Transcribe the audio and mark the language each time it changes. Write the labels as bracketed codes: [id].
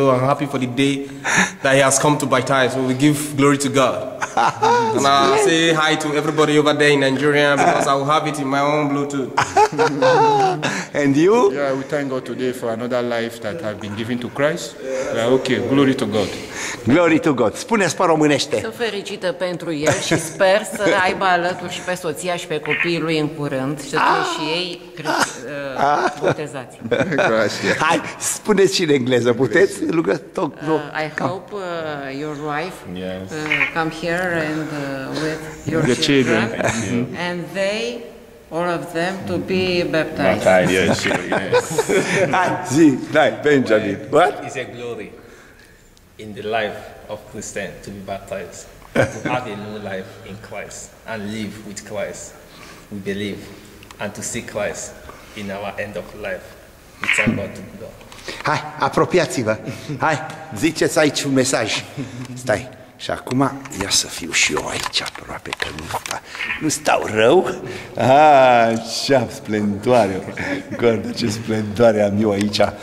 [en] So I'm happy for the day that he has come to baptize. So we give glory to God. And I say hi to everybody over there in Nigeria, because I will have it in my own Bluetooth. And you? Yeah, we thank God today for another life that I've been given to Christ. Yeah, okay, glory to God. Glory to God. [ro] Spune-ți pe românește. Sunt fericită pentru el și sper să aibă alături și pe soția și pe copiii lui în curând și să fie și ei botezați. Hai, spuneți și în engleză, puteți? [en] I hope your wife come here and with your the children. And they... All of them to be baptized. Yes. Like Benjamin. What? It's a glory in the life of Christian to be baptized, to have a new life in Christ and live with Christ. We believe and to see Christ in our end of life. We thank God to God. [ro] Hai, apropiați-vă. Hai, ziceți aici un mesaj. Stai. Și acum, ia să fiu și eu aici aproape, că nu stau rău. Așa, splendoare. Gordă, ce splendoare am eu aici.